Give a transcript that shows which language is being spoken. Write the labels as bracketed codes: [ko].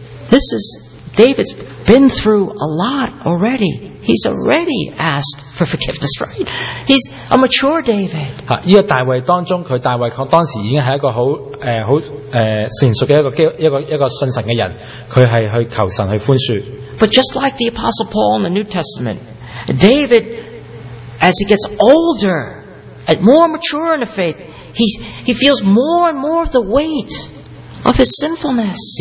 [en] This is David's been through a lot already. He's already asked for forgiveness, right? He's a mature David. [zh] 这个大卫当中，他大卫当时已经是一个很成熟的一个信神的人，他是去求神去宽恕。 [en] But just like the Apostle Paul in the New Testament, David, as he gets older, and more mature in the faith, he feels more and more of the weight of his sinfulness.